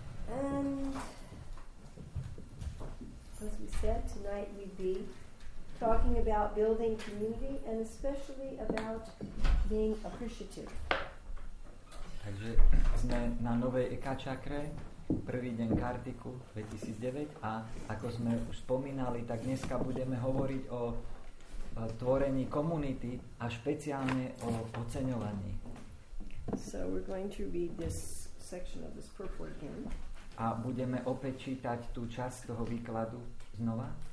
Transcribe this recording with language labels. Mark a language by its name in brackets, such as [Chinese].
[English] And as we said, tonight we'd be talking about building community and especially about being appreciative. [Slovak] Takže jsme na novej Ekačakre, prvý deň Kartiku 2009 a ako sme už spomínali, tak dneska budeme hovoriť o tvorení komunity a špeciálne o oceňovaní. [English] So we're going to read this section of this purport again. [Slovak] A budeme opäť čítať tú časť toho výkladu znova.